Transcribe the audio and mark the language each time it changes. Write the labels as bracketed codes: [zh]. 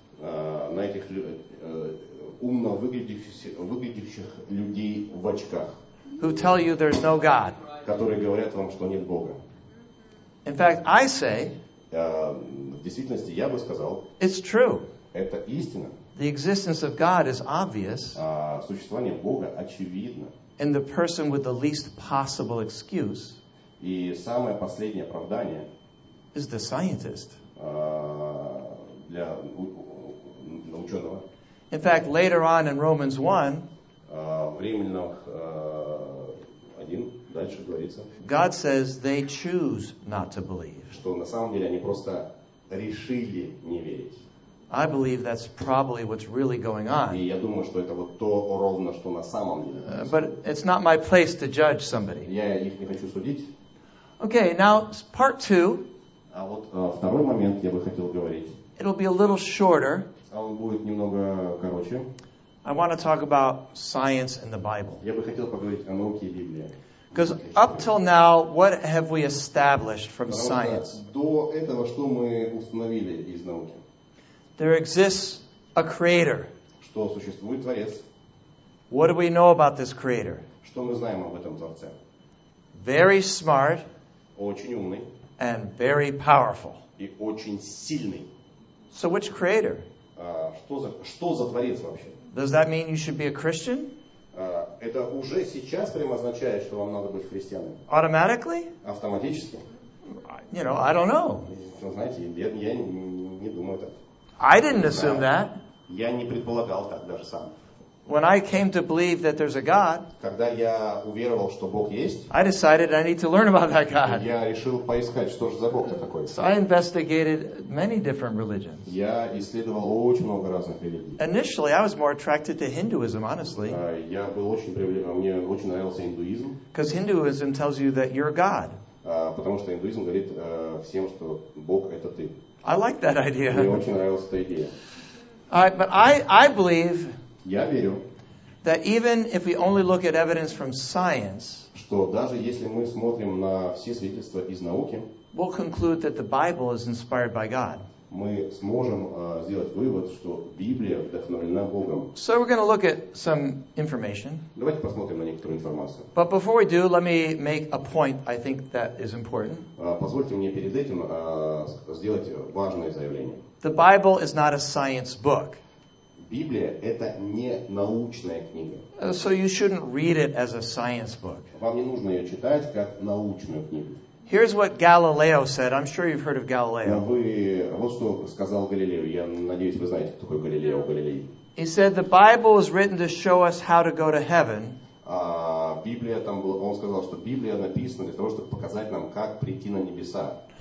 [ru] На этих умно выглядящих людей в очках. [en] Who tell you there's no God. [ru] Которые говорят вам, что нет Бога. [en] In fact, I say, [ru] в действительности я бы сказал, [en] it's true. [ru] Это истина. [en] The existence of God is obvious. [ru] Существование Бога очевидно. [en] And the person with the least possible excuse [ru] и самое последнее оправдание [en] is the scientist. [ru] Для ученого. [en] In fact, later on in Romans 1, [ru] дальше говорится, [en] God says they choose not to believe. [ru] Что на самом деле они просто решили не верить. [en] I believe that's probably what's really going on. [ru] И я думаю, что это вот то ровно, что на самом деле. [en] But it's not my place to judge somebody. [ru] Я их не хочу судить. [en] Okay, now part two. [ru] А вот второй момент я бы хотел говорить. [en] It'll be a little shorter. [ru] Он будет немного короче. [en] I want to talk about science and the Bible. [ru] Я бы хотел поговорить о науке и Библии. [en] Because up till now, what have we established from science? [ru] До этого что мы установили из науки? [en] There exists a creator. [ru] Что существует творец? [en] What do we know about this creator? [ru] Что мы знаем об этом творце? [en] Very smart. [ru] Очень умный. [en] And very powerful. [ru] И очень сильный. [en] So which creator? [ru] Что за творец вообще? [en] Does that mean you should be a Christian? [ru] Это уже сейчас прямо означает, что вам надо быть христианином. [en] Automatically? [ru] Автоматически? [en] You know, I don't know. [ru] Ну, знаете, я не думаю так. [en] I didn't assume that. [ru] Я не предполагал так даже сам. [en] When I came to believe that there's a God, [ru] когда я уверовал, что Бог есть, [en] I decided I need to learn about that God. [ru] Я решил поискать, что же за Бог-то такой. [en] So I investigated many different religions. [ru] Я исследовал очень много разных религий. [en] Initially, I was more attracted to Hinduism, honestly. [ru] Я был очень привлечен, мне очень нравился индуизм. [en] Because Hinduism tells you that you're God. [ru] Потому что индуизм говорит всем, что Бог — это ты. [en] I like that idea. [ru] Мне очень нравилась эта идея. [en] But I believe [ru] я верю, [en] that even if we only look at evidence from science, [ru] что даже если мы смотрим на все свидетельства из науки, [en] we'll conclude that the Bible is inspired by God. [ru] Мы сможем сделать вывод, что Библия вдохновлена Богом. [en] So we're going to look at some information. [ru] Давайте посмотрим на некоторую информацию. [en] But before we do, let me make a point I think that is important. [ru] Позвольте мне перед этим сделать важное заявление. [en] The Bible is not a science book. [ru] Библия – это не научная книга. [en] So you shouldn't read it as a science book. [ru] Вам не нужно ее читать как научную книгу. [en] Here's what Galileo said. I'm sure you've heard of Galileo. [ru] Вот что сказал Галилео. Я надеюсь, вы знаете, кто такой Галилео Галилей. [en] He said the Bible was written to show us how to go to heaven. [ru] Библия там была. Он сказал, что Библия написана для того, чтобы показать нам, как прийти на небеса.